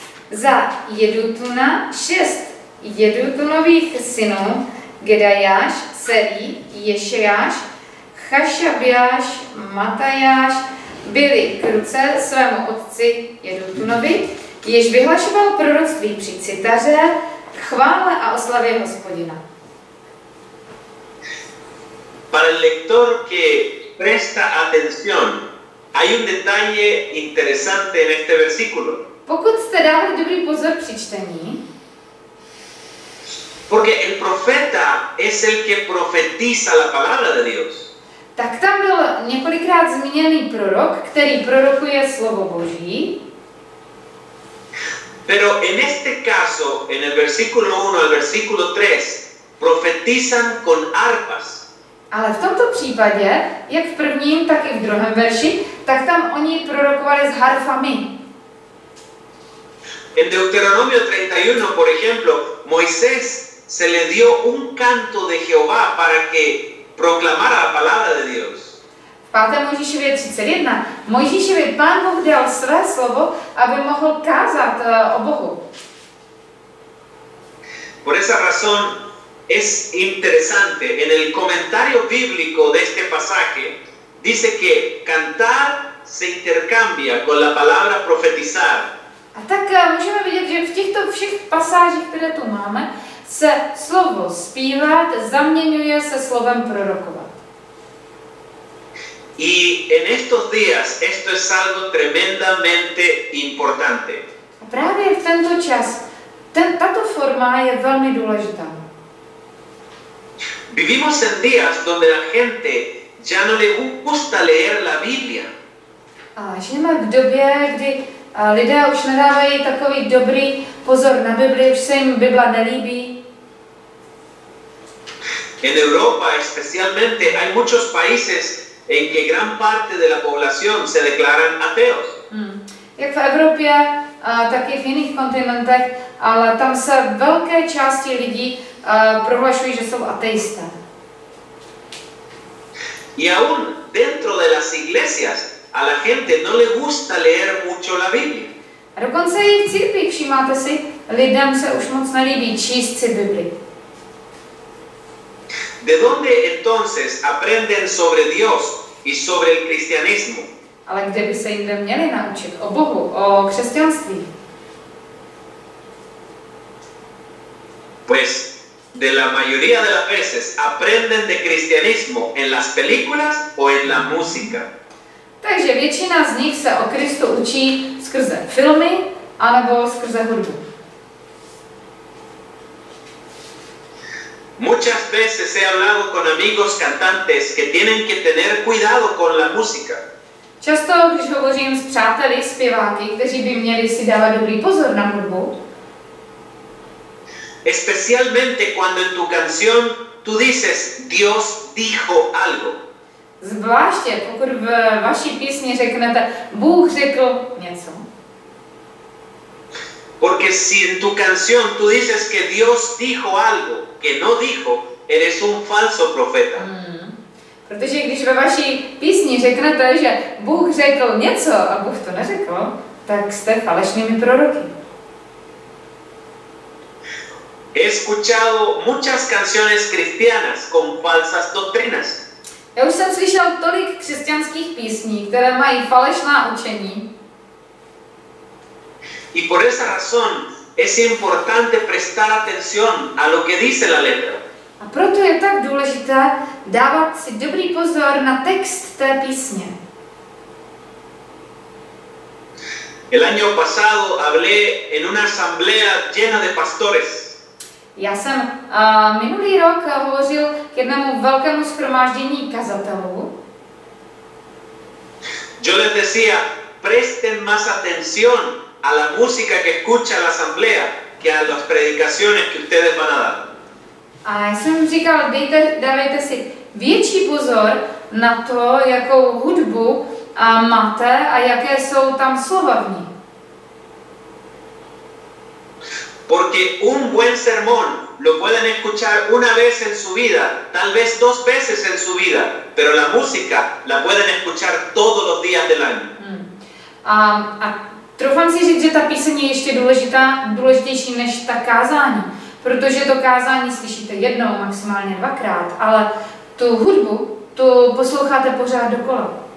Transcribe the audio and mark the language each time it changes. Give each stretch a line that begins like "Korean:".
Czech: Za Jedutuna 6 Jedutunových synů, Gedajáš, Serí, Ješiáš, Chašabiáš, Matajáš, byli k ruce svému otci Jedutunovi, jež vyhlašoval proroctví při citaře, chvále a oslavě Hospodina.
Spanish: Para el lector que presta atención, hay un detalle interesante en este versículo.
Czech: Pokud jste dali dobrý pozor při čtení.
Spanish: Porque el profeta es el que profetiza la palabra de Dios.
Czech: Tak tam byl několikrát zmíněný prorok, který prorokuje slovo Boží.
Spanish: Pero en este caso, en el versículo 1 al versículo 3, profetizan con arpas.
Czech: Ale v tomto případě, jak v prvním, tak i v druhém verši, tak tam oni prorokovali s harfami.
Spanish: En Deuteronomio 31, por ejemplo, Moisés se le dio un canto de Jehová para que proclamara la palabra de Dios.
Czech: Páté Mojžíšově 31. Mojžíšovi Pán Bůh dal své slovo, aby mohl kázat o Bohu.
Spanish: Por esa razón es interesante en el comentario bíblico de este pasaje dice que cantar se intercambia con la palabra profetizar.
Czech: A tak můžeme vidět, že v těchto všech pasážích, které tu máme, se slovo zpívat zaměňuje se slovem prorokovat.
Spanish: Y en estos días esto es algo tremendamente importante.
Czech: Právě v tento čas tato forma je velmi důležitá.
Spanish: Vivimos en días donde la gente ya no le gusta leer la Biblia.
Czech: A žijeme v době, kdy lidé už nedávají takový dobrý pozor na Bibli, už se jim Bible nelíbí.
Spanish: En Europa especialmente hay muchos países en que gran parte de la población se declaran ateos.
Czech: Jak v Evropě, tak i v jiných kontinentech, ale tam se velké části lidí prohlašují, že jsou ateisté.
Spanish: Y aún dentro de las iglesias a la gente no le gusta leer mucho la Biblia.
Czech: A dokonce i v církvi, všimáte si, lidem se už moc nelíbí číst si Bibli.
Spanish: ¿De dónde entonces aprenden sobre Dios y sobre el cristianismo?
Czech: Ale kde by se jinde měli naučit o Bohu, o křesťanství?
Spanish: Pues de la mayoría de las veces aprenden de cristianismo en las películas o en la música.
Czech: Takže většina z nich se o Kristu učí skrze filmy anebo skrze hudbu.
Spanish: Muchas veces he hablado con amigos cantantes que tienen que tener cuidado con la música.
Czech: Často když hovořím s přáteli zpěváky, kteří by měli si dávat dobrý pozor na hudbu.
Spanish: Especialmente cuando en tu canción tú dices Dios dijo algo.
Czech: Zvláště pokud v vaší písni řeknete Bůh řekl něco.
Spanish: Porque si en tu canción tú dices que Dios dijo algo que no dijo, eres un falso profeta.
Czech: Protože když ve vaší písni řeknete, že Bůh řekl něco a Bůh to neřekl, tak jste falešnými proroky.
Spanish: He escuchado muchas canciones cristianas con falsas doctrinas.
Czech: Já už jsem slyšel tolik křesťanských písní, které mají falešná učení.
Spanish: Y por esa razón es importante prestar atención a lo que dice la letra.
Czech: A proto je tak důležité dávat si dobrý pozor na text té písně.
Spanish: El año pasado hablé en una asamblea llena de pastores.
Czech: Já jsem minulý rok hovořil k jednomu velkému shromáždění kazatelů.
Spanish: Yo les decía, presten más atención a la música que escucha la asamblea que a las predicaciones que ustedes van a dar.
Czech: A já jsem říkal, dávejte si větší pozor na to, jakou hudbu máte a jaké jsou tam slova v ní.
Spanish: Porque un buen sermón lo pueden escuchar una vez en su vida, tal vez dos veces en su vida, pero la música la pueden escuchar todos los días del año.
Czech: A troufám si říct, že ta píseň je ještě důležitější než ta kázání, protože to kázání slyšíte jednou, maximálně dvakrát, ale tu hudbu, tu posloucháte pořád dokola.